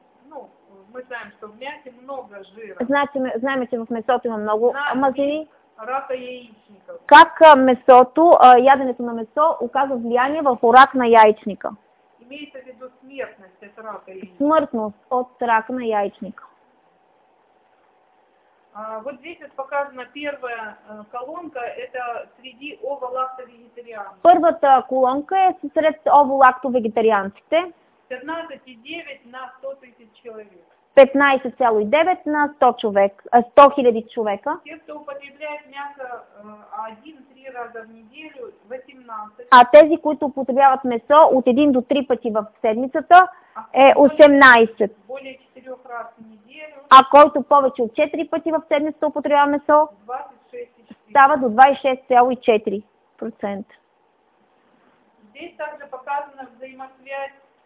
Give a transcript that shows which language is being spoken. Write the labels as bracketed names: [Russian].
[Russian] Ну, мы знаем, что в мясе много жира. [Bulgarian] Знаем, что в месото има много мазнини. [Russian] Рака яичника. [Bulgarian] Как месото, яденето на месо оказва влияние върху рак на яичника? [Russian] Имеется в виду смертность от рака яичника. [Bulgarian] Смъртност от рака на яичника. [Russian] Вот здесь вот показана первая колонка, это среди оволакто-вегетарианцев. [Bulgarian] Първата колонка е сред оволакто-вегетарианците. [Russian] 15,9 на 100 тысяч человек. 15,9 на 100 человек, 100 000 человека. Те, кто употребляет мясо 1-3 раза в неделю, 18. [Bulgarian] А тези, които употребяват месо от 1 до 3 пъти в седмицата, е 18. [Russian] Более 4 раз в неделю. [Bulgarian] А който повече от 4 пъти в седмицата употребява месо, 26,4. Става до 26,4%. [Russian] Здесь также показана взаимосвязь.